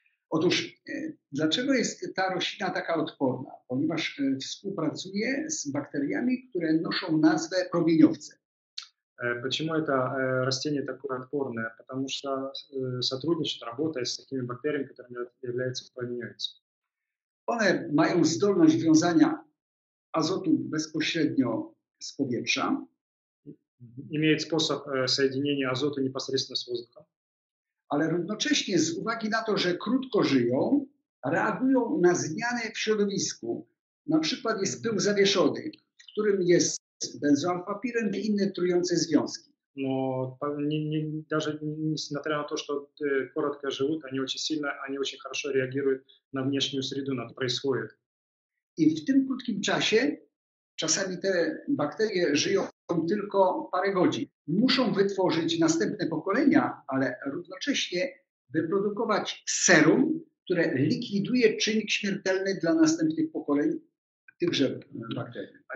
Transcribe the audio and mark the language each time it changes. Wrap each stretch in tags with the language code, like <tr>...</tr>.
<pl>Otóż, dlaczego jest ta roślina taka odporna? Ponieważ współpracuje z bakteriami, które noszą nazwę promieniowce.</pl> <ru>Почему это растение такое отпорное? Потому что сотрудничает, работает с такими бактериями, которые являются промениевцами.</ru> <pl>One mają zdolność wiązania azotu bezpośrednio z powietrza.</pl> <ru>Имеет способ соединения азота непосредственно с воздухом.</ru> <pl>Ale równocześnie z uwagi na to, że krótko żyją, reagują na zmiany w środowisku. Na przykład jest pył zawieszony, w którym jest benzoalfa-piren i inne trujące związki.</pl> <ru>No, несмотря на то, что коротко живут, они очень сильно, они очень хорошо реагируют на внешнюю среду, на то, что происходит.</ru> <pl>I w tym krótkim czasie czasami te bakterie żyją tylko parę godzin. Muszą wytworzyć następne pokolenia, ale równocześnie wyprodukować serum, które likwiduje czynnik śmiertelny dla następnych pokoleń tychże bakterii.</pl>